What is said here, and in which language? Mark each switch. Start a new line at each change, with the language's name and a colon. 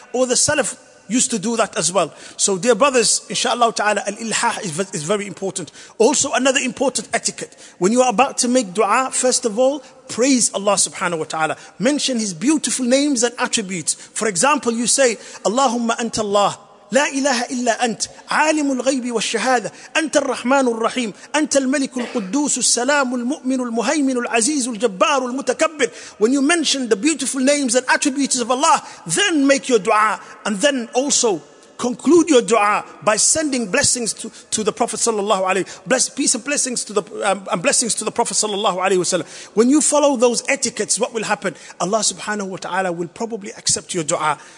English: Or the Salaf used to do that as well. So dear brothers, inshallah ta'ala, al-ilhah is very important. Also another important etiquette. When you are about to make dua, first of all, praise Allah subhanahu wa ta'ala. Mention His beautiful names and attributes. For example, you say, Allahumma anta Allah.
Arabic: لا إله إلا أنت عالم الغيب والشهادة أنت الرحمن الرحيم أنت الملك القدوس السلام المؤمن المهيمن العزيز الجبار المتكبر.
English: When you mention the beautiful names and attributes of Allah, then make your dua, and then also conclude your dua by sending blessings to the Prophet sallallahu alaihi wasallam. Peace and blessings to the and blessings to the Prophet sallallahu alaihi wasallam. When you follow those etiquettes, what will happen? Allah subhanahu wa ta'ala will probably accept your dua.